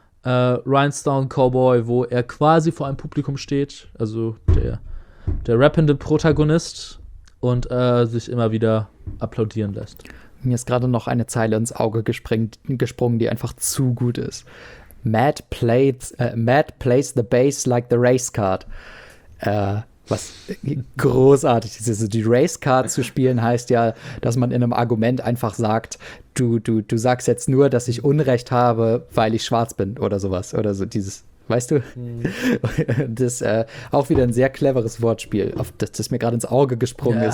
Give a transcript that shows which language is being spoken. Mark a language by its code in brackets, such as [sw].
[de] Rhinestone Cowboy, wo er quasi vor einem Publikum steht, also der rappende Protagonist und sich immer wieder applaudieren lässt. Mir ist gerade noch eine Zeile ins Auge gesprungen, die einfach zu gut ist. [en] Matt plays the bass like the race card. [de] Was großartig ist. Also die Race Card zu spielen heißt ja, dass man in einem Argument einfach sagt, du sagst jetzt nur, dass ich Unrecht habe, weil ich schwarz bin oder sowas. Oder so dieses, weißt du? Das ist auch wieder ein sehr cleveres Wortspiel, auf das mir gerade ins Auge gesprungen ist.